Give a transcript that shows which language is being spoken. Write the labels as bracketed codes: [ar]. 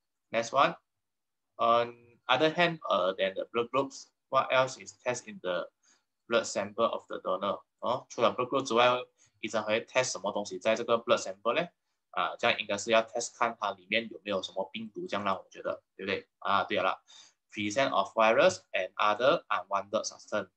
[en] Next one, on other hand, than the blood groups, what else is test in the blood sample of the donor? [zh] 哦，除了 [en] blood group [zh] 之外，医生会 test 什么东西在这个 [en] blood sample [zh] 呢？啊，这样应该是要 test 看它里面有没有什么病毒，这样让我觉得，对不对？啊，对了 [en] ，present of virus and other unwanted substance.